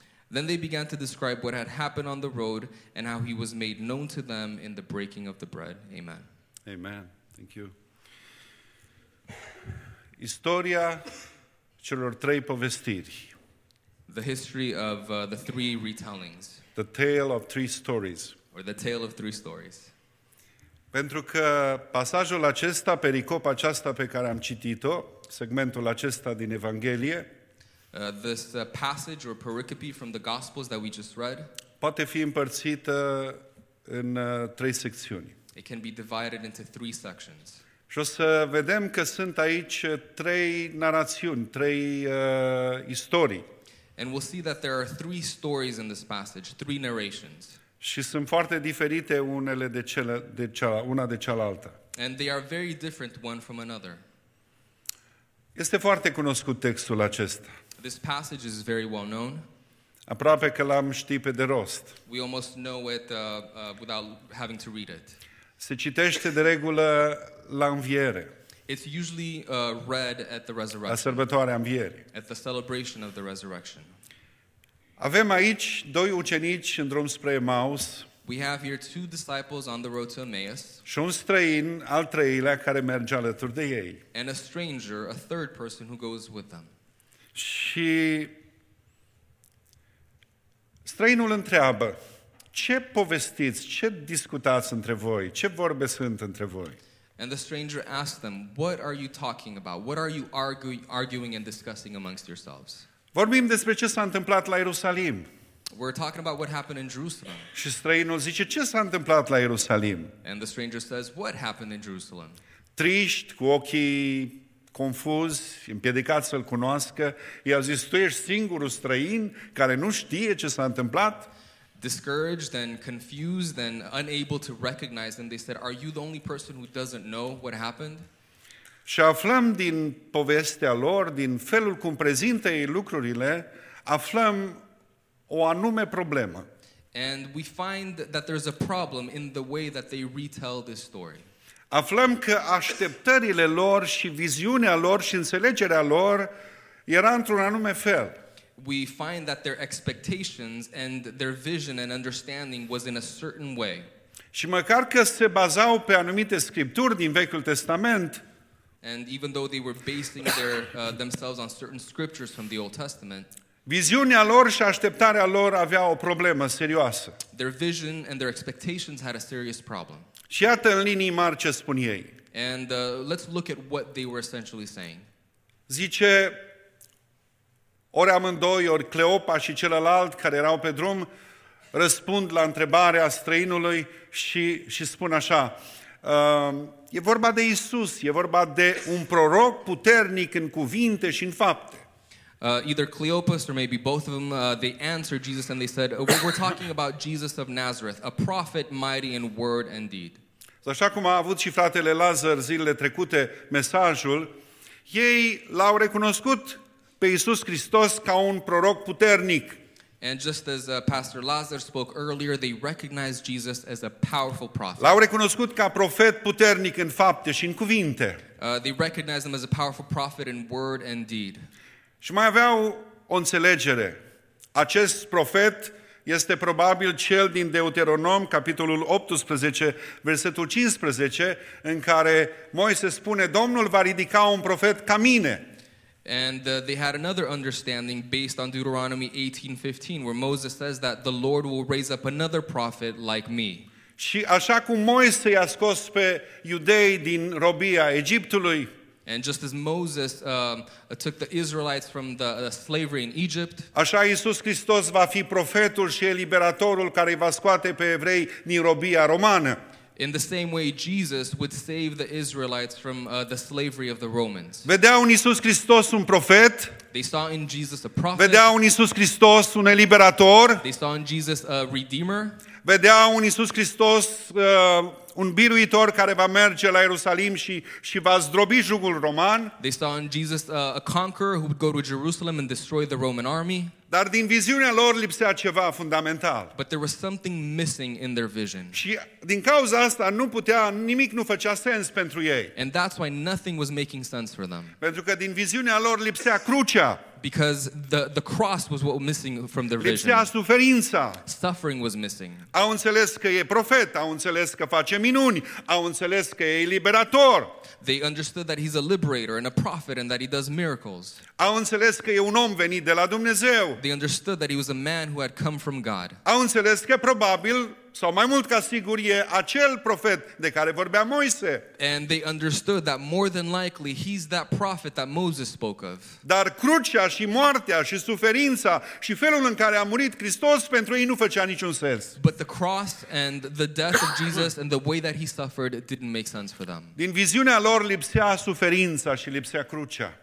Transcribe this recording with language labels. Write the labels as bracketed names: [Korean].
[English] Then they began to describe what had happened on the road and how he was made known to them in the breaking of the bread. Amen. Amen. Thank you. [Romanian] Istoria celor trei povestiri. [English] The history of the three retellings. The tale of three stories. Or the tale of three stories. [Romanian] Pentru că pasajul acesta, pericopa aceasta pe care am citit-o, segmentul acesta din Evanghelie, [English] this passage or pericope from the Gospels that we just read, [Romanian] poate fi împărțită în trei secțiuni. [English] It can be divided into three sections. [Romanian] Și o să vedem că sunt aici trei narațiuni, trei istorii. [English] And we'll see that there are three stories in this passage, three narrations. [Romanian] Și sunt foarte diferite unele de cele de cea una de cealaltă. [English] And they are very different one from another. [Romanian] Este foarte cunoscut textul acesta. [English] This passage is very well known. [Romanian] Aproape că l-am ști pe de rost. [English] We almost know it without having to read it. [Romanian] Se citește de regulă la înviere. [English] It's usually read at the resurrection. [Romanian] La sărbătoarea învierii. [English] At the celebration of the resurrection. [Romanian] Avem aici doi ucenici în drum spre Emaus. [English] We have here two disciples on the road to Emmaus. [Romanian] Și un străin, al treilea, care merge alături de ei. [English] And a stranger, a third person who goes with them. [Romanian] Și străinul întreabă: "Ce povestiți? Ce discutați între voi? Ce vorbe sunt între voi?" [English] And the stranger asked them, "What are you talking about? What are you arguing and discussing amongst yourselves?" [Romanian] Vorbim despre ce s-a întâmplat la Ierusalim. [English] We're talking about what happened in Jerusalem. [Romanian] Și străinul zice: "Ce s-a întâmplat la Ierusalim?" [English] And the stranger says, "What happened in Jerusalem?" [Romanian] triști, cu ochii confuzi, împiedicați să-L cunoască. I-au zis, tu ești singurul străin care nu știe ce s-a întâmplat. [English] Discouraged and confused and unable to recognize them, they said, are you the only person who doesn't know what happened? [Romanian] Și aflăm din povestea lor, din felul cum prezintă ei lucrurile, aflăm o anume problemă. [English] And we find that there's a problem in the way that they retell this story. [Romanian] Aflăm că așteptările lor și viziunea lor și înțelegerea lor era într-un anume fel. [English] We find that their expectations and their vision and understanding was in a certain way. [Romanian] Și măcar că se bazau pe anumite scripturi din Vechiul Testament, [English] and even though they were basing their themselves on certain scriptures from the Old Testament, [Romanian] viziunea lor și așteptarea lor avea o problemă serioasă. [English] Their vision and their expectations had a serious problem. [Romanian] Și iată în linii mari ce spun ei. [English] And let's look at what they were essentially saying. [Romanian] Zice, ori amândoi, ori Cleopa și celălalt care erau pe drum, răspund la întrebarea străinului și spun așa, e vorba de Iisus, e vorba de un proroc puternic în cuvinte și în fapte. [English] Either Cleopas or maybe both of them, they answered Jesus and they said, we're talking about Jesus of Nazareth, a prophet mighty in word and deed. [Romanian] Așa cum a avut și fratele Lazar zilele trecute mesajul, ei l-au recunoscut pe Iisus Hristos ca un proroc puternic. [English] And just as Pastor Lazar spoke earlier, they recognized Jesus as a powerful prophet. [Romanian] L-au recunoscut ca profet puternic în fapte și în cuvinte. [English] They recognized him as a powerful prophet in word and deed. [Romanian] Și mai aveau o înțelegere. Acest profet este probabil cel din Deuteronom, capitolul 18, versetul 15, în care Moise spune, Domnul va ridica un profet ca mine. [English] And they had another understanding based on Deuteronomy 18:15, where Moses says that the Lord will raise up another prophet like me. [Romanian] Și așa cum Moise i-a scos pe iudei din robia Egiptului, [English] and just as Moses took the Israelites from the slavery in Egypt, [Romanian] așa Iisus Hristos va fi profetul și eliberatorul care va scoate pe evrei din robia romană. [English] In the same way, Jesus would save the Israelites from the slavery of the Romans. [Romanian] Vedeau în Iisus Hristos un profet. [English] They saw in Jesus a prophet. [Romanian] Vedeau în Iisus Hristos un eliberator. [English] They saw in Jesus a redeemer. [Romanian] Vedeau în Iisus Hristos un biruitor care va merge la Ierusalim și va zdrobi jugul roman. [English] They saw in Jesus a conqueror who would go to Jerusalem and destroy the Roman army. [Romanian] Dar din viziunea lor lipsea ceva fundamental. [English] But there was something missing in their vision. [Romanian] Și din cauza asta nimic nu făcea sens pentru ei. [English] And that's why nothing was making sense for them. [Romanian] Pentru că din viziunea lor lipsea crucea. [English] Because the cross was what was missing from their [Romanian] lipsea [English] vision. [Romanian] Lipsea suferința. [English] Suffering was missing. [Romanian] Au înțeles că e profet, au înțeles că face minuni, au înțeles că e liberator. [English] They understood that he's a liberator and a prophet and that he does miracles. [Romanian] Au înțeles că e un om venit de la Dumnezeu. [English] They understood that he was a man who had come from God. [Romanian] Au înțeles că probabil, sau mai mult ca sigur, e acel profet de care vorbea Moise. [English] And they understood that more than likely he's that prophet that Moses spoke of. [Romanian] Dar crucea și moartea și suferința și felul în care a murit Hristos pentru ei nu făcea niciun sens. [English] But the cross and the death of Jesus and the way that he suffered didn't make sense for them. [Romanian] Din viziunea lor lipsea suferința și lipsea crucea.